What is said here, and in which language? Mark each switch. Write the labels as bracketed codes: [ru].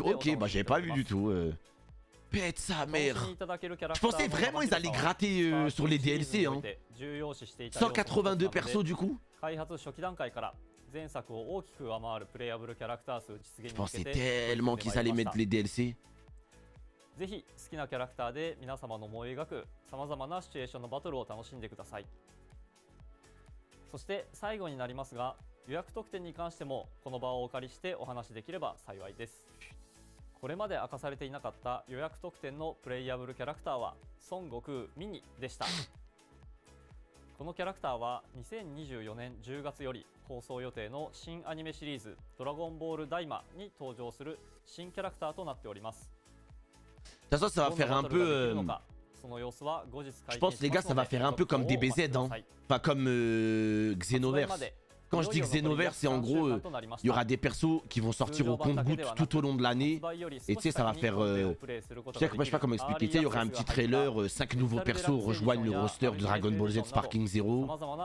[fr] Ok, bah j'avais pas vu du tout. Pète sa mère. Je pensais vraiment ils allaient gratter sur les DLC hein. 182 persos du coup. Je pensais tellement qu'ils allaient mettre les DLC. [ja] ぜひ好きなキャラクターで皆様の思い描く様々なシチュエーションのバトルを楽しんでください。そして最後になりますが、予約特典に関してもこの場をお借りしてお話しできれば幸いです。これまで明かされていなかった予約特典のプレイヤブルキャラクターは孫悟空ミニでした。このキャラクターは2024年10月より放送予定の新アニメシリーズドラゴンボールダイマに登場する新キャラクターとなっております。 [fr] じゃあ、ça va faire un peu [ja] その様子は後日解 [fr] 禁。 Je pense les gars ça va faire un peu comme DBZ hein, pas comme Xenoverse. Quand je dis Xenoverse, c'est en gros, il y aura des persos qui vont sortir au compte-goutte tout au long de l'année. Et tu sais, ça va faire. Je sais pas comment expliquer. Tu sais, il y aura un petit trailer, 5 nouveaux persos rejoignent le roster de Dragon Ball Z Sparking Zero.